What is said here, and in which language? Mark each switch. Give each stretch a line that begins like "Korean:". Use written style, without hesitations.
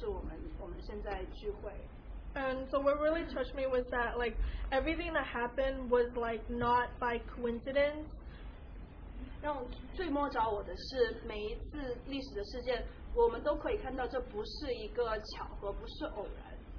Chinese: 就是看见这整个历史的潮流，很多东西都被神保留下来，就像是我们的圣经，就像是我们现在聚会。
English: And so what really touched me was that like everything that happened was like not by coincidence.
Chinese: 让最摸着我的是每一次历史的事件，我们都可以看到这不是一个巧合，不是偶然。